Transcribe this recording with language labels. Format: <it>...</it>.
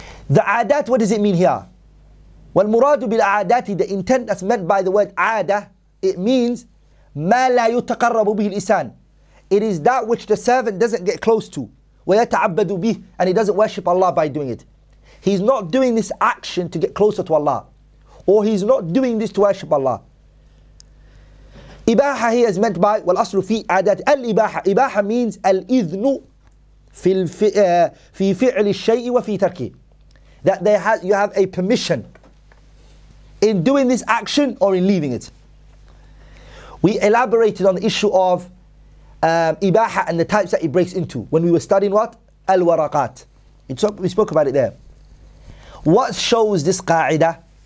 <en>The adat, what does it mean here?</en> <ar>Wal muradu bil adati,</ar> <en>the intent that's meant by the word ada, it means</en> <ar>ما لا يتقرب به الإنسان.</ar> <en>It is that which the servant doesn't get close to.</en> <ar>ويتعبد به,</ar> <en>and he doesn't worship Allah by doing it. He's not doing this action to get closer to Allah, or he's not doing this to worship Allah.</en> <ar>إباحة,</ar> <en>he is meant by</en> <ar>والأصل في عادات الإباحة. إباحة means الإذن في في فعل الشيء وفي تركه.</ar> <en>That they have, you have a permission in doing this action or in leaving it. We elaborated on the issue of ibaha and the types that it breaks into when we were studying what? Al-waraqat. We spoke about it there. What shows this qa'ida?</en>